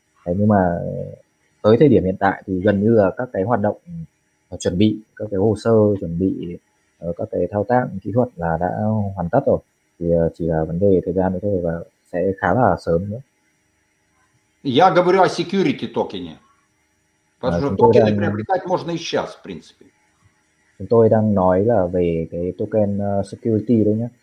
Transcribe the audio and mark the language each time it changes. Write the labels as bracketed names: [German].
[Vietnamese] Đấy, nhưng mà tới thời điểm hiện tại thì gần như là các cái hoạt động chuẩn bị, các cái hồ sơ chuẩn bị, các cái thao tác kỹ thuật là đã hoàn tất rồi, thì chỉ là vấn đề thời gian thôi và sẽ khá là sớm nữa. [Russian] Я говорю о security токене. Потому что токены приобретать можно и сейчас, в принципе. [Vietnamese] Chúng tôi đang nói là về cái token security đấy nhé.